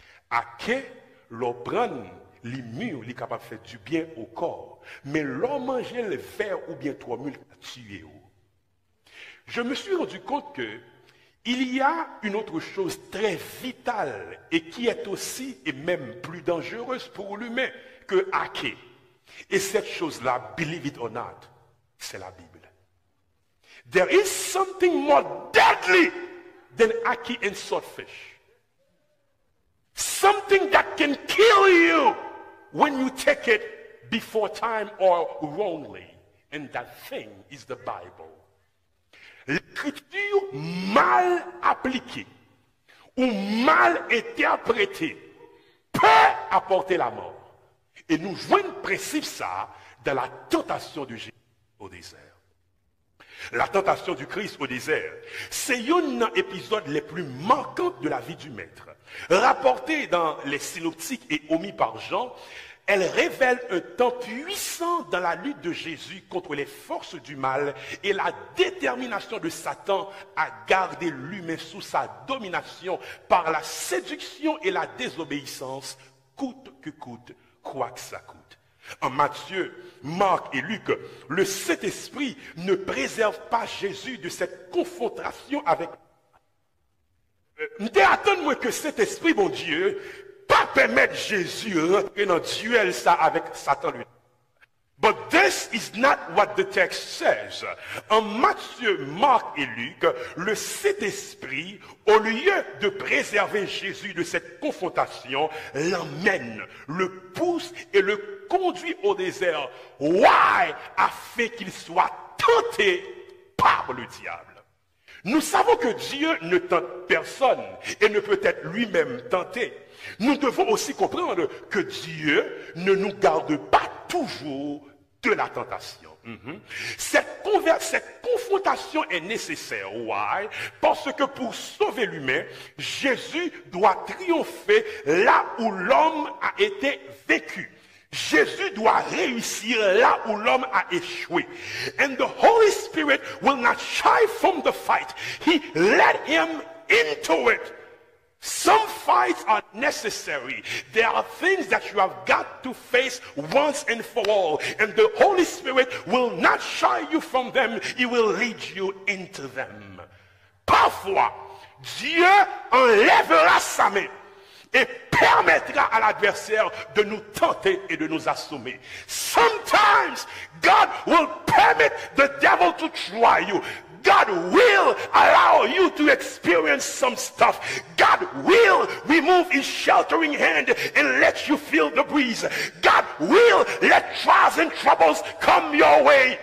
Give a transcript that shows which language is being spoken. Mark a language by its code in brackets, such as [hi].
[fr] À quai, l'obran, les murs, les capables de faire du bien au corps, mais l'on mange le verre ou bien trois mules à tuer. Je me suis rendu compte que il y a une autre chose très vitale et qui est aussi et même plus dangereuse pour l'humain que Aké. Et cette chose-là, [en] believe it or not, [fr] c'est la Bible. [en] There is something more deadly than Aké and swordfish. Something that can kill you when you take it before time or wrongly. And that thing is the Bible. [fr] L'écriture mal appliquée ou mal interprétée peut apporter la mort. Et nous jouons le principe ça dans la tentation du Jésus au désert. La tentation du Christ au désert, c'est un épisode les plus marquants de la vie du maître. Rapporté dans les synoptiques et omis par Jean, elle révèle un temps puissant dans la lutte de Jésus contre les forces du mal et la détermination de Satan à garder l'humain sous sa domination par la séduction et la désobéissance, coûte que coûte, quoi que ça coûte. En Matthieu, Marc et Luc, le Saint-Esprit ne préserve pas Jésus de cette confrontation avec... Attends-moi que Saint-Esprit, mon Dieu... pas permettre Jésus rentrer dans duel ça avec Satan lui. [en] But this is not what the text says. [fr] En Matthieu, Marc et Luc, le Saint-Esprit, au lieu de préserver Jésus de cette confrontation, l'emmène, le pousse et le conduit au désert. [en] Why? [fr] Afin qu'il soit tenté par le diable. Nous savons que Dieu ne tente personne et ne peut être lui-même tenté. Nous devons aussi comprendre que Dieu ne nous garde pas toujours de la tentation. Cette confrontation est nécessaire. [en] Why? [fr] Parce que pour sauver l'humain, Jésus doit triompher là où l'homme a été vaincu. Jésus doit réussir là où l'homme a échoué. [en] And the Holy Spirit will not shy from the fight. He led him into it. Some fights are necessary. There are things that you have got to face once and for all. And the Holy Spirit will not shy you from them. He will lead you into them. [fr] Parfois, Dieu enlèvera sa main et permettra à l'adversaire de nous tenter et de nous assommer. [en] Sometimes, God will permit the devil to try you. God will allow you to experience some stuff. God will remove his sheltering hand and let you feel the breeze. God will let trials and troubles come your way.